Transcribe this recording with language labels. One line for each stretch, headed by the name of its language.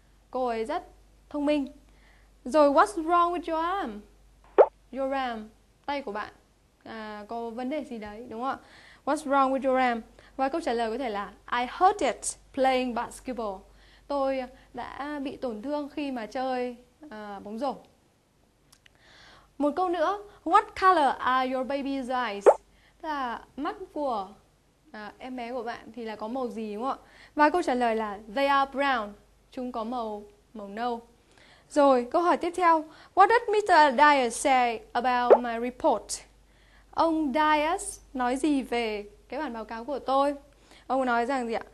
Vietnamese: Cô ấy rất thông minh. Rồi
English: what's wrong with your arm? Your arm,
Vietnamese: tay của bạn. Có vấn đề gì đấy, đúng không ạ?
English: What's wrong with your arm?
Vietnamese: Và câu trả lời có thể là
English: I hurt it playing basketball.
Vietnamese: tôi đã bị tổn thương khi mà chơi bóng rổ. Một câu nữa,
English: what color are your baby's eyes?
Vietnamese: Là mắt của em bé của bạn thì là có màu gì đúng không ạ? Và câu trả lời là
English: they are brown,
Vietnamese: chúng có màu nâu. Rồi, câu hỏi tiếp theo,
English: what does Mr. Dias say about my report?
Vietnamese: Ông Dias nói gì về cái bản báo cáo của tôi? Ông nói rằng gì ạ?